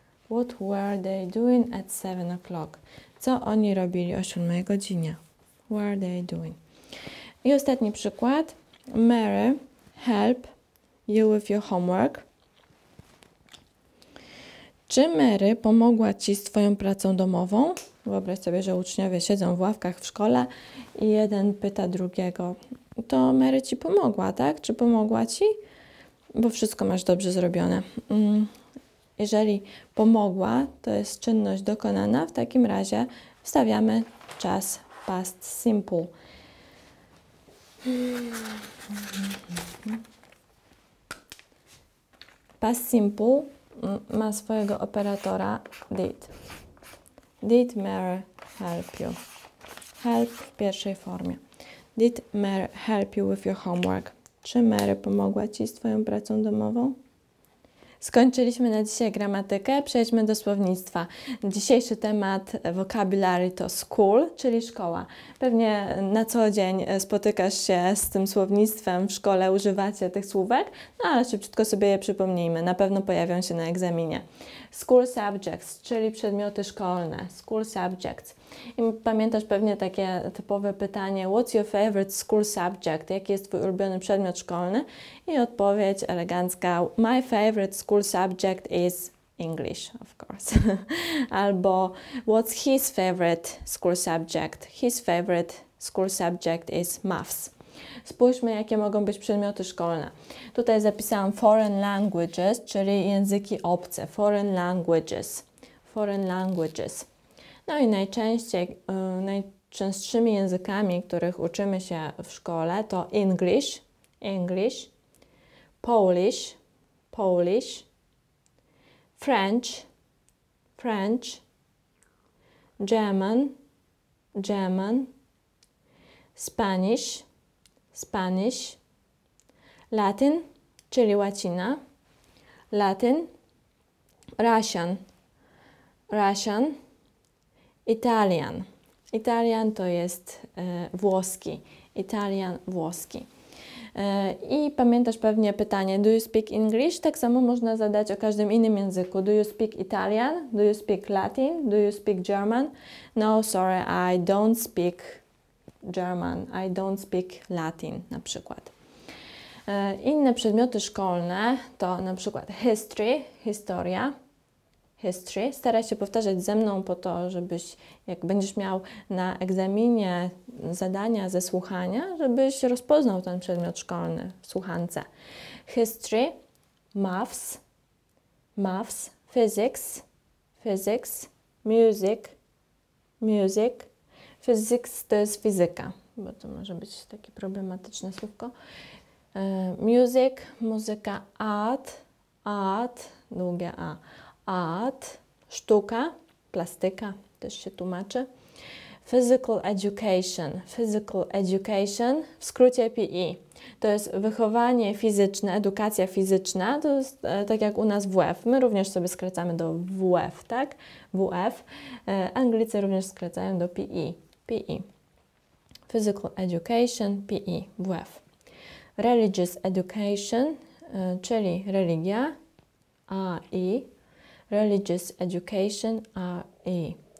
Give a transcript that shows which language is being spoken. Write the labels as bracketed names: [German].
[English] What were they doing at 7 o'clock? [Polish] Co oni robili o 7 godzinie? [English] What were they doing? [Polish] I ostatni przykład. [English] Mary, help you with your homework. [Polish] Czy Mary pomogła ci z twoją pracą domową? Wyobraź sobie, że uczniowie siedzą w ławkach w szkole i jeden pyta drugiego. To Mary ci pomogła, tak? Czy pomogła ci? Bo wszystko masz dobrze zrobione. Jeżeli pomogła, to jest czynność dokonana, w takim razie wstawiamy czas past simple. Past simple ma swojego operatora did. [English] Did Mary help you? Help [Polish] w pierwszej formie. [English] Did Mary help you with your homework? [Polish] Czy Mary pomogła ci z twoją pracą domową? Skończyliśmy na dzisiaj gramatykę, przejdźmy do słownictwa. Dzisiejszy temat vocabulary to school, czyli szkoła. Pewnie na co dzień spotykasz się z tym słownictwem w szkole, używacie tych słówek, no ale szybciutko sobie je przypomnijmy, na pewno pojawią się na egzaminie. [English] School subjects, [Polish] czyli przedmioty szkolne. [English] School subjects. [Polish] I pamiętasz pewnie takie typowe pytanie, [English] what's your favorite school subject? [Polish] Jaki jest twój ulubiony przedmiot szkolny? I odpowiedź elegancka, [English] my favorite school subject is English, of course. [Polish] Albo, [English] what's his favorite school subject? His favorite school subject is maths. [Polish] Spójrzmy, jakie mogą być przedmioty szkolne. Tutaj zapisałam [English] foreign languages, [Polish] czyli języki obce. [English] Foreign languages. Foreign languages. [Polish] No i najczęściej, najczęstszymi językami, których uczymy się w szkole, to English. [English] English. Polish. Polish. French. French. German. German. Spanish. Spanish, Latin, [Polish] czyli łacina, [English] Latin, Russian, Russian, Italian. [Polish] Italian to jest włoski, Italian, włoski. I pamiętasz pewnie pytanie, [English] do you speak English? [Polish] Tak samo można zadać o każdym innym języku. [English] Do you speak Italian? Do you speak Latin? Do you speak German? No, sorry, I don't speak German, I don't speak Latin, [Polish] na przykład. Inne przedmioty szkolne to na przykład history, historia, history. Staraj się powtarzać ze mną po to, żebyś, jak będziesz miał na egzaminie zadania ze słuchania, żebyś rozpoznał ten przedmiot szkolny w słuchance. [English] History, maths, maths, physics, physics, music, music. [Polish] Physics to jest fizyka, bo to może być takie problematyczne słówko. [English] Music, muzyka, art, art, [Polish] długie A. art, sztuka, plastyka, też się tłumaczy. [English] Physical education. Physical education, [Polish] w skrócie [English] PE. [Polish] To jest wychowanie fizyczne, edukacja fizyczna. To jest tak jak u nas WF. My również sobie skracamy do WF, tak? WF. Anglicy również skracają do PE. [English] PE. Physical education, PE, WF. Religious education, [Polish] czyli religia, [English] RE. Religious education, RE.